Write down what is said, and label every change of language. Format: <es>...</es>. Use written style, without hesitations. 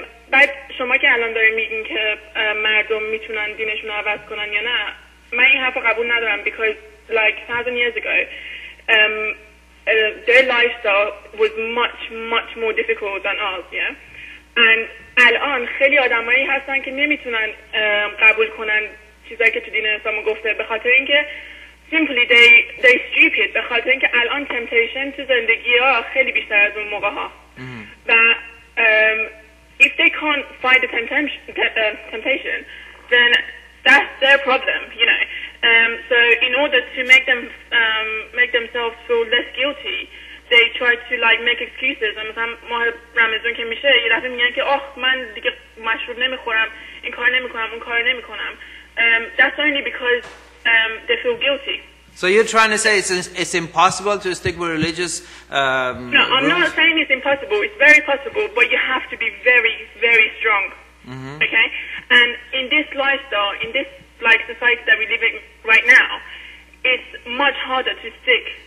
<fa>بعد شما که الان داری میگین که مردم میتونن دینشون رو عوض کنن یا نه، من این حرف رو قبول ندارم،</fa> <en>because like 1000 years ago their lifestyle was much much more difficult than ours, yeah?</en> <fa>And الان خیلی آدمایی هستن که نمیتونن قبول کنن چیزایی که تو دین اسلام گفته، به خاطر اینکه</fa> <en>simply they stupid،</en> <fa>به خاطر اینکه الان temptation تو زندگی ها خیلی بیشتر از اون موقع ها.</fa> <en>و if they can't fight the temptation, then that's their problem, you know. So in order to make them make themselves feel less guilty, they try to like make excuses.</en> <fa>And مثلا ماه رمضان که میشه یه دفعه میگن که آخ من دیگه مشروب نمیخورم، این کار نمیکنم، اون کار نمیکنم.</fa> <en>That's only because they feel guilty. So you're trying to say it's impossible to stick with religious No, I'm not saying it's impossible. It's very possible, but you have to be very, very strong. Mm-hmm. Okay? And in this lifestyle, in this like society that we live in right now, it's much harder to stick.</en>